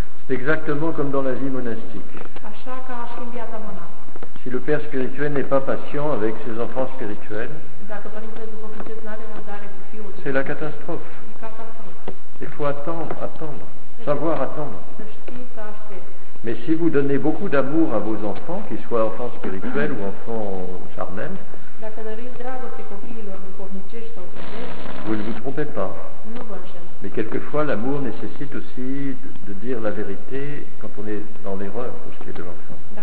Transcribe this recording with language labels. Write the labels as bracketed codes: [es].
[fr] Exactement comme dans la vie monastique. [ro] Așa ca și în viața monastică. [fr] Si le père spirituel n'est pas patient avec ses enfants spirituels, [ro] dacă părintele duhovnicesc n-are răbdare cu fiul, [fr] c'est la catastrophe. Il faut attendre, savoir attendre. [ro] Să știi să aștepți. [fr] Mais si vous donnez beaucoup d'amour à vos enfants, qu'ils soient enfants spirituels ou enfants charnels, [ro] dacă dăriți dragoste copiilor duhovnicești sau [fr] charnels, vous ne vous trompez pas. [ro] Nu vă înșel. [fr] Mais quelquefois, l'amour nécessite aussi de dire la vérité quand on est dans l'erreur pour ce qui est de l'enfant.